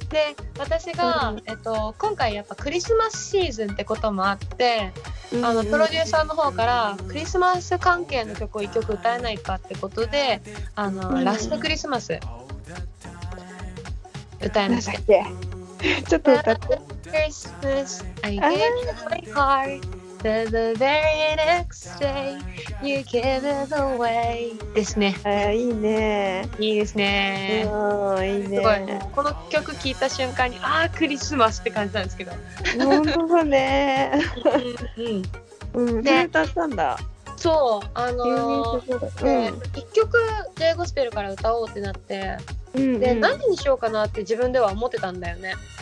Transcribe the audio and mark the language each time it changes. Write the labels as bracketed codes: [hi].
[ja] で、私が、うん、今回やっぱクリスマスシーズンってこともあって、うん、あのプロデューサーの方からクリスマス関係の曲を1曲歌えないかってことで、あの、うん、ラストクリスマス歌いました。ちょっと歌って。 [en] Christmas, I gave you my heart, the very next day you gave it away [ja] ですね。あ、いいね。いいですね。いいね。すごい。この曲聴いた瞬間に、あ、クリスマスって感じなんですけど。本当だね。うん。で、歌ったんだ。そう、1曲 J ゴスペルから歌おうってなって、うんうん、で、何にしようかなって自分では思ってたんだよね。